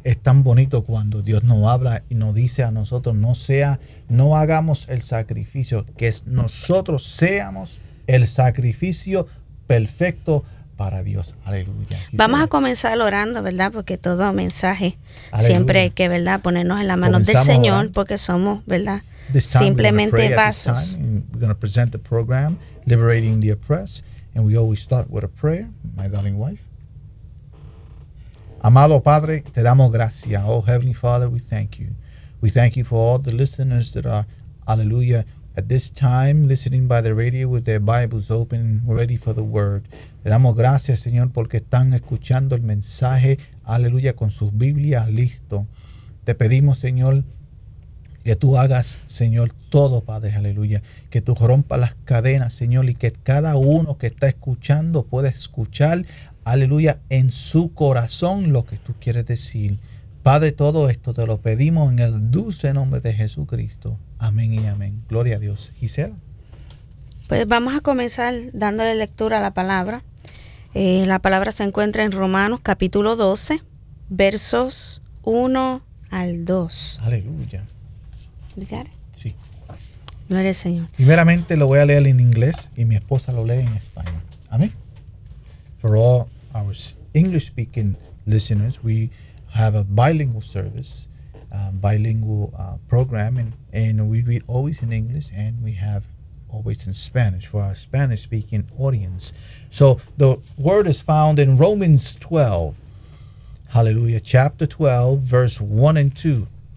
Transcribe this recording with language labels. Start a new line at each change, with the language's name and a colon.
Spanish: Es tan bonito cuando Dios nos habla y nos dice a nosotros, no hagamos el sacrificio, que nosotros seamos el sacrificio perfecto para Dios. Aleluya. Vamos a comenzar orando, ¿verdad? Porque todo mensaje, aleluya, siempre hay que, ¿verdad?, ponernos en las manos del Señor, orando, porque somos, ¿verdad?, simplemente vasos.
English: We're going to present the program, Liberating the Oppressed, and we always start with a prayer, my darling wife.
Spanish: Amado Padre, te damos gracias.
English: Oh, Heavenly Father, we thank you. We thank you for all the listeners that are, aleluya, at this time, listening by the radio with their Bibles open, ready for the word.
Spanish: Le damos gracias, Señor, porque están escuchando el mensaje, aleluya, con sus Biblias listo. Te pedimos, Señor, que tú hagas, Señor, todo, Padre, aleluya, que tú rompas las cadenas, Señor, y que cada uno que está escuchando pueda escuchar, aleluya, en su corazón lo que tú quieres decir. Padre, todo esto te lo pedimos en el dulce nombre de Jesucristo. Amén y amén. Gloria a Dios. Gisela. Pues vamos a comenzar dándole lectura a la palabra. La palabra se encuentra en Romanos capítulo 12, versos 1 al 2. Aleluya. Sí. Gloria al Señor. Primeramente lo voy a leer en inglés y mi esposa lo lee en español. Amén.
English: For all our English speaking listeners, we have a bilingual service, bilingual program, and we read always in English, and we have always in Spanish for our Spanish-speaking audience. So the word is found in Romans 12, hallelujah, chapter 12, verse 1 and 2.